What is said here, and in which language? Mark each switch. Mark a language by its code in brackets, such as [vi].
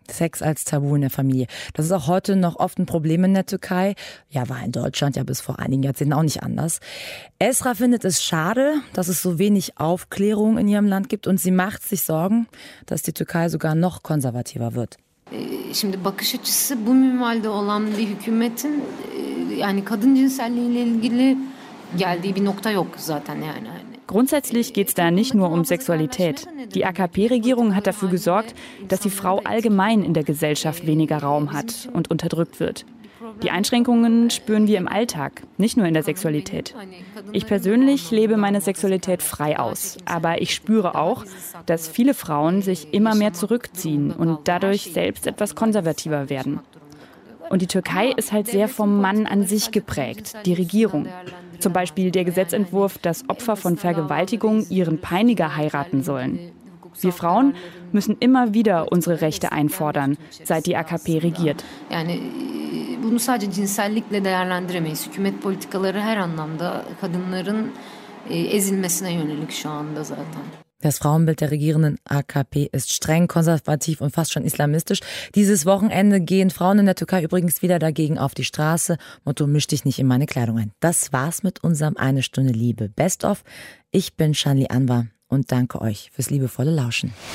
[de] Sex als Tabu in der Familie. Das ist auch heute noch oft ein Problem in der Türkei. Ja, war in Deutschland ja bis vor einigen Jahrzehnten auch nicht anders. Esra findet es schade, dass es so wenig Aufklärung in ihrem Land gibt und sie macht sich Sorgen, dass die Türkei sogar noch konservativer wird. [tr] Şimdi bakış açısı bu minvalde olan bir hükümetin yani kadın cinselliğiyle ilgili geldiği bir nokta yok zaten yani. [de] Grundsätzlich geht es da nicht nur um Sexualität. Die AKP-Regierung hat dafür gesorgt, dass die Frau allgemein in der Gesellschaft weniger Raum hat und unterdrückt wird. Die Einschränkungen spüren wir im Alltag, nicht nur in der Sexualität. Ich persönlich lebe meine Sexualität frei aus, aber ich spüre auch, dass viele Frauen sich immer mehr zurückziehen und dadurch selbst etwas konservativer werden. Und die Türkei ist halt sehr vom Mann an sich geprägt, die Regierung. Zum Beispiel der Gesetzentwurf, dass Opfer von Vergewaltigung ihren Peiniger heiraten sollen. Wir Frauen müssen immer wieder unsere Rechte einfordern, seit die AKP regiert. [tr] Bunu sadece cinsellikle değerlendiremeyiz. Hükümet politikaları her anlamda kadınların ezilmesine yönelik şu anda zaten. [de] Das Frauenbild der regierenden AKP ist streng konservativ und fast schon islamistisch. Dieses Wochenende gehen Frauen in der Türkei übrigens wieder dagegen auf die Straße. Motto, misch dich nicht in meine Kleidung ein. Das war's mit unserem Eine Stunde Liebe Best of. Ich bin Shanli Anwar und danke euch fürs liebevolle Lauschen.